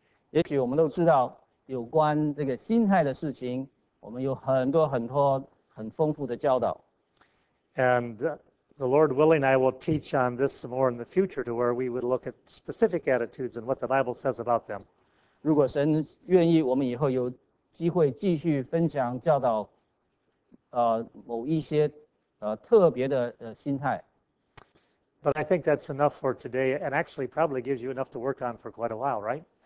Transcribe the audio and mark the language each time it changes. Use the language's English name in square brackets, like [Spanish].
[Chinese] 也许我们都知道有关这个心态的事情，我们有很多很多很丰富的教导。 [English] And the Lord willing, I will teach on this some more in the future to where we would look at specific attitudes and what the Bible says about them. [Chinese] 如果神愿意，我们以后有 机会继续分享教导，某一些特别的心态。 [English] But I think that's enough for today, and actually probably gives you enough to work on for quite a while, right?